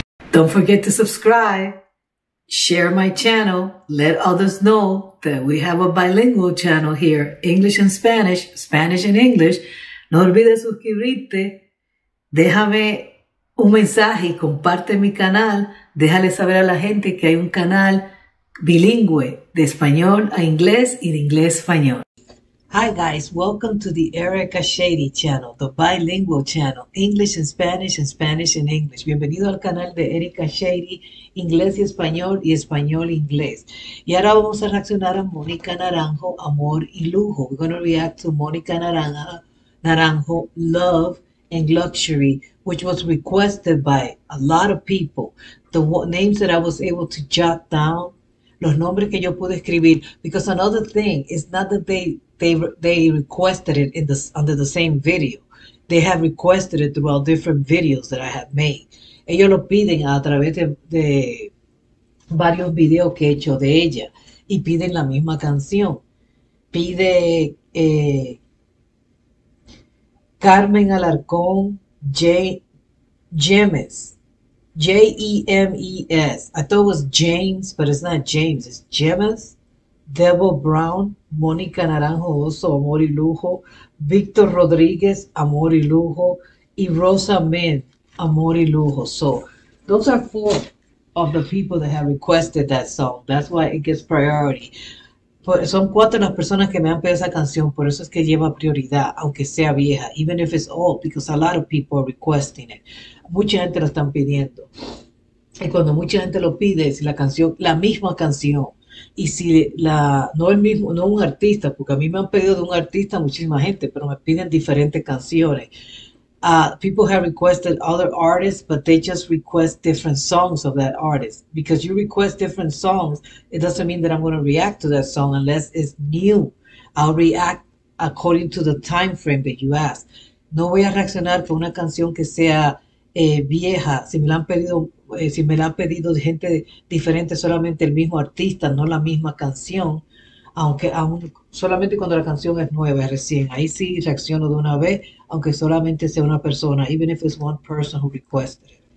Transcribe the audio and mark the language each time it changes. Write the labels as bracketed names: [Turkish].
[English] Don't forget to subscribe, share my channel, let others know that we have a bilingual channel here, English and Spanish, Spanish and English. [Spanish] No olvides suscribirte, déjame un mensaje y comparte mi canal, déjale saber a la gente que hay un canal bilingüe de español a inglés y de inglés a español. [English] Hi guys, welcome to the Erica Shady channel, the bilingual channel, English and Spanish and English. [Spanish] Bienvenido al canal de Erica Shady, inglés y español inglés. Y ahora vamos a reaccionar a Mónica Naranjo, Amor y Lujo. [English] We're going to react to Mónica Naranjo, Love and Luxury, which was requested by a lot of people. The names that I was able to jot down, [Spanish] los nombres que yo pude escribir, [English] because another thing is not that they requested it in this under the same video. They have requested it throughout different videos that I have made. [Spanish] Ellos lo piden a través de varios videos que he hecho de ella y piden la misma canción. Pide Carmen Alarcón James. J-E-M-E-S. [English] I thought it was James, but it's not James. It's James. Devil Brown, Mónica Naranjo Oso, Amor y Lujo, Victor Rodriguez, Amor y Lujo, y Rosa Mint, Amor y Lujo. So those are four of the people that have requested that song. That's why it gets priority. [Spanish] Son cuatro las personas que me han pedido esa canción, por eso es que lleva prioridad, aunque sea vieja, [English] even if it's old, because a lot of people are requesting it. [Spanish] Mucha gente lo están pidiendo. Y cuando mucha gente lo pide, si la canción, la misma canción, y si la, no el mismo, no un artista, porque a mí me han pedido de un artista muchísima gente, pero me piden diferentes canciones. [English] People have requested other artists, but they just request different songs of that artist. Because you request different songs, it doesn't mean that I'm going to react to that song unless it's new. I'll react according to the time frame that you ask. [Spanish] No voy a reaccionar por una canción que sea vieja. Si me la han pedido, si me la han pedido gente diferente, solamente el mismo artista, no la misma canción. Aunque aún, solamente cuando la canción es nueva, recién, ahí sí reacciono de una vez, aunque solamente sea una persona, [English] even if it's one person who requested it.